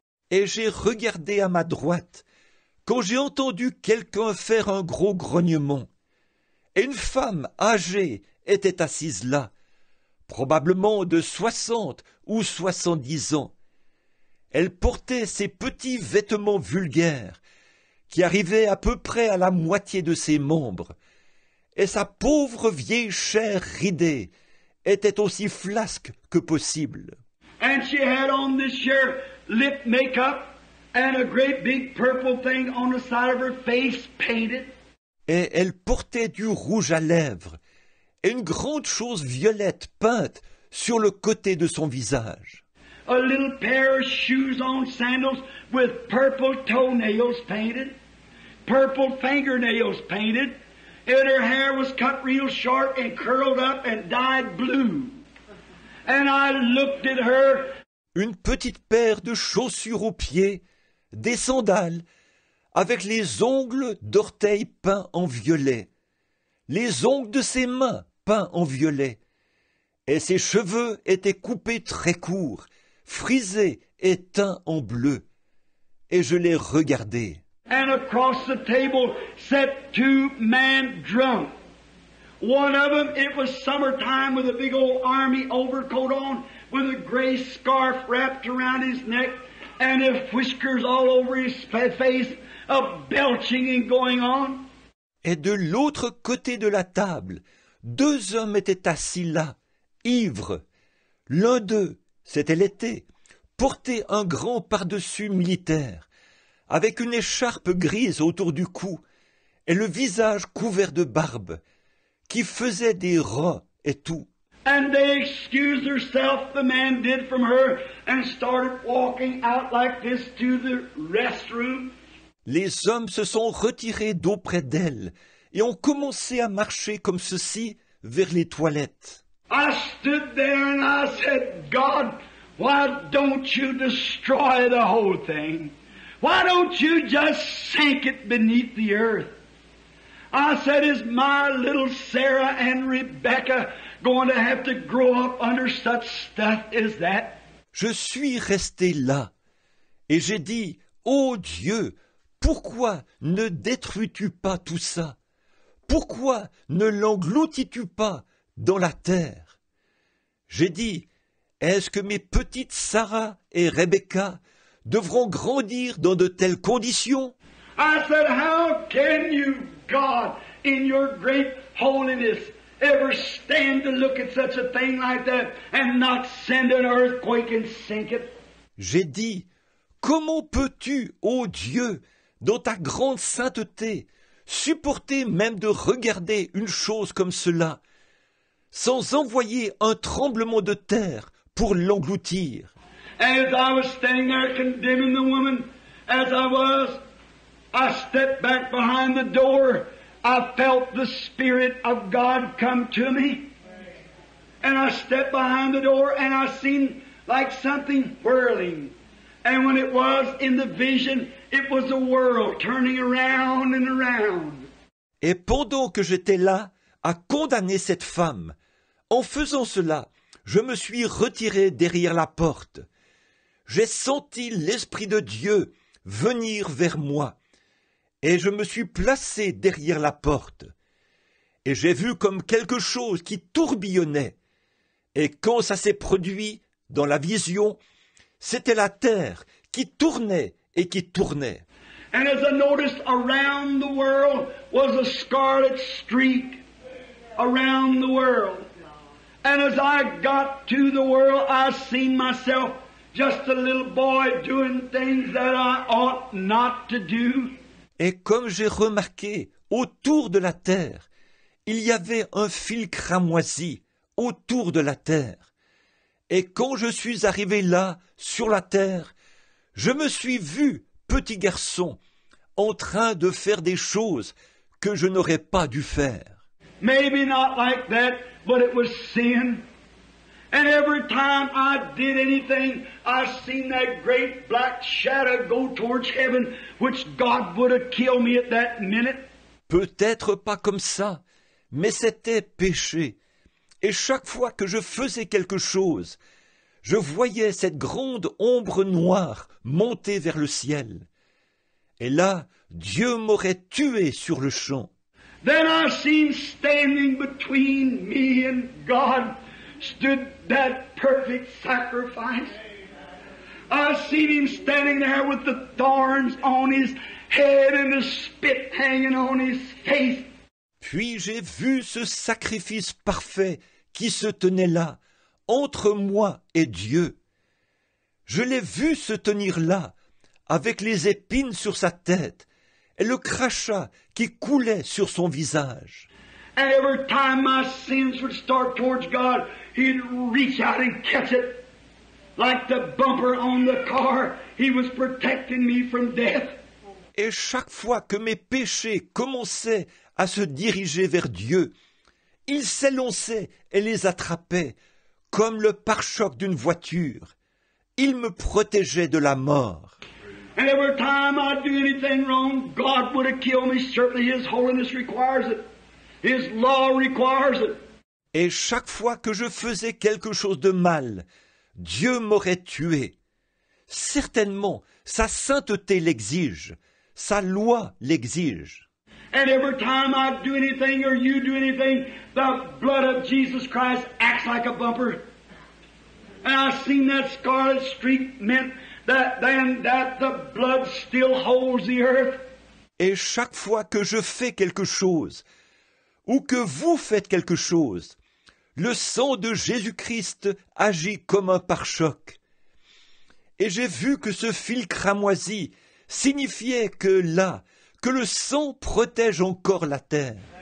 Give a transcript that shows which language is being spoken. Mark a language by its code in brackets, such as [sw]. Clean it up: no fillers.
[fr] Et j'ai regardé à ma droite, quand j'ai entendu quelqu'un faire un gros grognement. Et une femme âgée était assise là, probablement de 60 ou 70 ans. Elle portait ses petits vêtements vulgaires, qui arrivaient à peu près à la moitié de ses membres, et sa pauvre vieille chair ridée était aussi flasque que possible. [en] And she had on this sheer lip makeup and a great big purple thing on the side of her face painted. [fr] Et elle portait du rouge à lèvres et une grande chose violette peinte sur le côté de son visage. [en] A little pair of shoes on sandals with purple toenails painted, purple fingernails painted, and her hair was cut real short and curled up and dyed blue. And I looked at her. [fr] Une petite paire de chaussures aux pieds, des sandales, avec les ongles d'orteils peints en violet, les ongles de ses mains peints en violet, et ses cheveux étaient coupés très courts, frisés et teints en bleu. Et je l'ai regardé. [en] And across the table sat two men drunk. One of them, it was summertime with a big old army overcoat on, with a gray scarf wrapped around his neck, and his whiskers all over his face, a belching and going on. [fr] Et de l'autre côté de la table, deux hommes étaient assis là, ivres. L'un d'eux, c'était l'été, portait un grand pardessus militaire, avec une écharpe grise autour du cou, et le visage couvert de barbe, qui faisait des rats et tout. [en] And they excused themselves, the man did, from her, and started walking out like this to the restroom. [fr] Les hommes se sont retirés d'auprès d'elle et ont commencé à marcher comme ceci vers les toilettes. [en] I stood there and I said, God, why don't you destroy the whole thing? Why don't you just sink it beneath the earth? I said, is my little Sarah and Rebecca going to have to grow up under such stuff as that? [fr] Je suis resté là et j'ai dit, ô Dieu, pourquoi ne détruis-tu pas tout ça? Pourquoi ne l'engloutis-tu pas dans la terre? J'ai dit, est-ce que mes petites Sarah et Rebecca devront grandir dans de telles conditions? [en] I said, how can you, God, in your great holiness, ever stand to look at such a thing like that and not send an earthquake and sink it? [fr] J'ai dit, comment peux-tu, ô Dieu, dans ta grande sainteté, supporter même de regarder une chose comme cela, sans envoyer un tremblement de terre pour l'engloutir? [en] As I was standing there condemning the woman, as I was, I stepped back behind the door. I felt the Spirit of God come to me. And I stepped behind the door and I seen like something whirling. And when it was in the vision, it was a world turning around and around. [fr] Et pendant que j'étais là à condamner cette femme, en faisant cela, je me suis retiré derrière la porte. J'ai senti l'Esprit de Dieu venir vers moi. Et je me suis placé derrière la porte. Et j'ai vu comme quelque chose qui tourbillonnait. Et quand ça s'est produit dans la vision, c'était la terre qui tournait et qui tournait. [en] And as I noticed, around the world was a scarlet streak around the world. And as I got to the world, I seen myself just a little boy doing things that I ought not to do. [fr] Et comme j'ai remarqué, autour de la terre, il y avait un fil cramoisi autour de la terre. Et quand je suis arrivé là, sur la terre, je me suis vu petit garçon en train de faire des choses que je n'aurais pas dû faire. [en] Maybe not like that, but it was sin. And every time I did anything, I seen that great black shadow go towards heaven, which God would have killed me at that minute. [fr] Peut-être pas comme ça, mais c'était péché. Et chaque fois que je faisais quelque chose, je voyais cette grande ombre noire monter vers le ciel. Et là, Dieu m'aurait tué sur le champ. [en] Then I seen standing between me and God stood that perfect sacrifice. I seen him standing there with the thorns on his head and the spit hanging on his face. [fr] Puis j'ai vu ce sacrifice parfait qui se tenait là, entre moi et Dieu. Je l'ai vu se tenir là, avec les épines sur sa tête, et le crachat qui coulait sur son visage. [en] And every time my sins would start towards God, he'd reach out and catch it. Like the bumper on the car, he was protecting me from death. [fr] Et chaque fois que mes péchés commençaient à se diriger vers Dieu, il s'élançait et les attrapait, comme le pare-choc d'une voiture. Il me protégeait de la mort. [en] And every time I'd do anything wrong, God would have killed me. Certainly His holiness requires it. His law requires it. [fr] Et chaque fois que je faisais quelque chose de mal, Dieu m'aurait tué. Certainement, sa sainteté l'exige. Sa loi l'exige. [en] And every time I do anything or you do anything, the blood of Jesus Christ acts like a bumper. And I've seen that scarlet streak meant that then that the blood still holds the earth. [fr] Et chaque fois que je fais quelque chose, ou que vous faites quelque chose, le sang de Jésus-Christ agit comme un pare-choc. Et j'ai vu que ce fil cramoisi signifiait que là, que le sang protège encore la terre.